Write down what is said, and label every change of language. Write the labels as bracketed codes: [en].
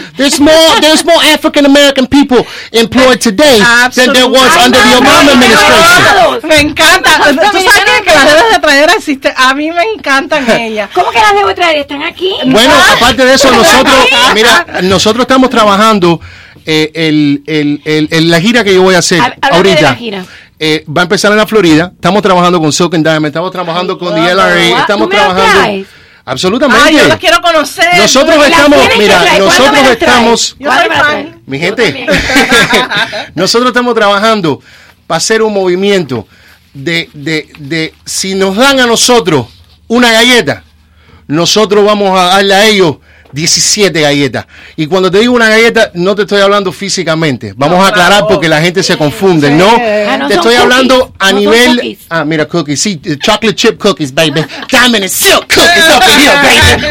[en] There's more African-American people employed today than there was under the Obama administration. [es] Me encanta. Tú sabes que las debes de traer al sistema. A mí me encantan ellas. ¿Cómo que las debo traer? ¿Están aquí? Bueno, aparte de eso, nosotros estamos trabajando. La gira que yo voy a hacer ahorita, la gira. Va a empezar en la Florida. Estamos trabajando con Silk and Diamond, estamos trabajando con the LRA, estamos trabajando. Absolutamente. Ay, yo los quiero conocer. Nosotros estamos, mira, nosotros estamos, mi gente, nosotros estamos trabajando para hacer un movimiento de si nos dan a nosotros una galleta, nosotros vamos a darle a ellos 17 galletas. Y cuando te digo una galleta, no te estoy hablando físicamente. Vamos a aclarar porque la gente se confunde, ¿no? Te estoy hablando a nivel... Ah, mira, cookies. Sí, [en] chocolate chip cookies, baby. Diamond and silk cookies up in here, baby.